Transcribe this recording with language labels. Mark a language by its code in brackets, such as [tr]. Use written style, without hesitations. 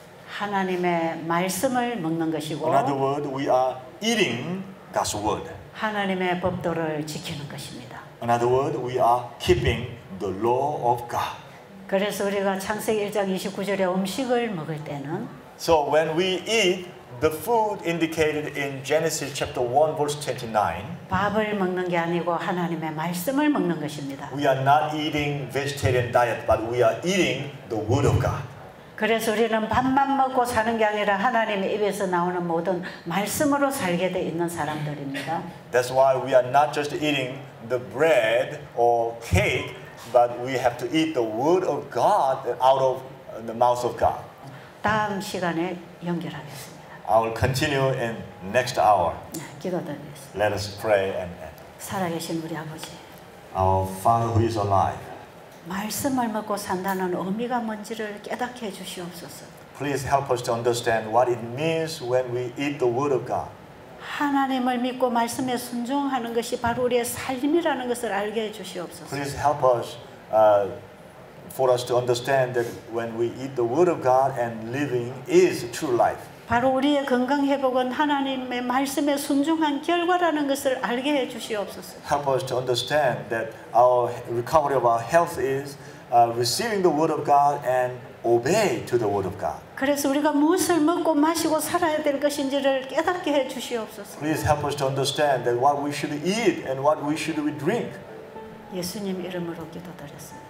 [ko] 하나님의 말씀을 먹는 것이고 [en] In other words we are eating God's word [ko] 하나님의 법도를 지키는 것입니다. [en] In other words we are keeping the law of God [ko] 그래서 우리가 창세기 1장 29절에 음식을 먹을 때는 [en] So when we eat the food indicated in Genesis chapter 1 verse 29 [ko] 밥을 먹는 게 아니고 하나님의 말씀을 먹는 것입니다. [en] We are not eating vegetarian diet but we are eating the word of God. [ko] 그래서 우리는 밥만 먹고 사는 게 아니라 하나님의 입에서 나오는 모든 말씀으로 살게 돼 있는 사람들입니다. [en] That's why we are not just eating the bread or cake but we have to eat the word of God out of the mouth of God. [ko] 다음 시간에 연결하겠습니다. [en] I will continue in next hour. [ko] 기도드리겠습니다. [en] Let us pray and end. [ko] 살아계신 우리 아버지. [en] Our Father who is alive. [ko] 말씀을 먹고 산다는 의미가 뭔지를 깨닫게 해주시옵소서. [en] Please help us to understand what it means when we eat the Word of God. [ko] 하나님을 믿고 말씀에 순종하는 것이 바로 우리의 삶이라는 것을 알게 해주시옵소서. [en] Please help us. For us to understand that when we eat the word of God and living is true life. [ko] 바로 우리의 건강 회복은 하나님의 말씀에 순종한 결과라는 것을 알게 해 주시옵소서. [en] Help us to understand that our recovery of our health is receiving the word of God and obey to the word of God. [ko] 그래서 우리가 무엇을 먹고 마시고 살아야 될 것인지를 깨닫게 해 주시옵소서. [en] Please help us to understand that what we should eat and what we should drink. [ko] 예수님 이름으로 기도드렸습니다.